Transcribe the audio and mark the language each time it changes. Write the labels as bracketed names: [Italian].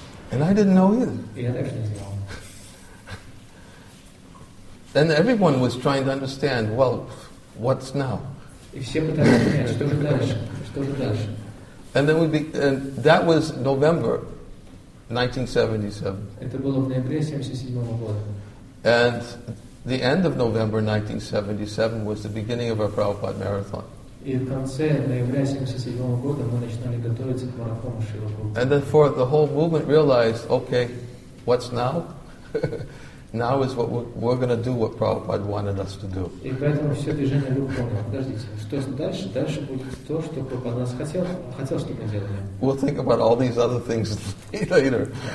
[English] And I didn't know either. [Russian] И я также не знал. [English] Then everyone was trying to understand, well, what's now? [Russian] И все пытались понять, что же дальше, что же дальше. [English] And then and that was November 1977. [Russian] Это было в ноябре 1977 года. [English] And the end of November 1977 was the beginning of our Prabhupada marathon. [Russian] И в конце ноября 77 года мы начинали готовиться к марафону Шрилы Прабхупады. [English] And then for the whole movement realized, okay, what's now? Now is what we're going to do what Prabhupada wanted us to do. [Russian] И поэтому все движение было понятно. Подождите, что дальше? Дальше будет то, что Прабхупада нас хотел, чтобы мы делали. [English] We'll think about all these other things later.